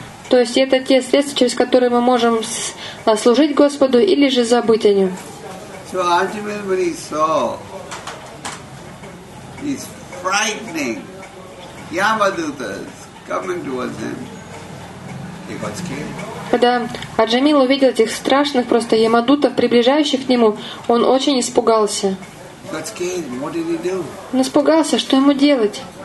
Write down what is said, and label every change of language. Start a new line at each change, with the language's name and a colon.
Russian: То есть это те средства, через которые мы можем служить Господу или же забыть о Нем.
English: So Arjuna, when he saw these frightening Yamadutas coming towards him, he got scared.
Russian: Когда Арджамил увидел этих страшных просто ямадутов, приближающих к нему, он очень испугался.
English: He got scared. What did he do?
Russian: Он испугался, что ему делать?